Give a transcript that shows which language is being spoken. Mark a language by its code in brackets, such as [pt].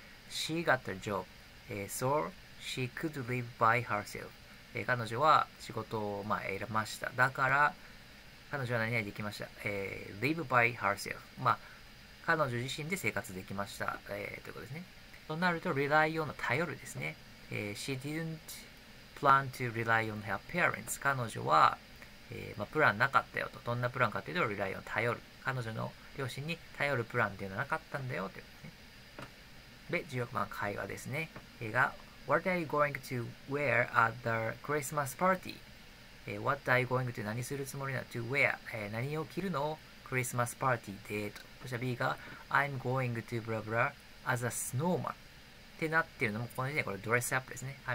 [en] She got a job, so she could live by herself。 [ja] 彼女は仕事を、まあ、得ました。だから彼女は何々できました。 [en] live by herself。 [ja] まあ、彼女自身で生活できました。ということですね。となると、rely on、頼るですね。 [en] she didn't plan to rely on her parents。 [ja] 彼女は、まあ、プランなかったよと。どんなプランかというと、rely on、頼る。彼女の両親に頼るプランというのはなかったんだよということですね。で、16番会話ですね。 [en] What are you going to wear at the Christmas party? What are you going to [ja] 何するつもりなの [en] to wear [ja] 何を着るの [en] Christmas party でと。 [ja] そしたら B が [en] I'm going to blah blah as a snowman [ja] ってなってるのも、この時点でこれ dress up ですね。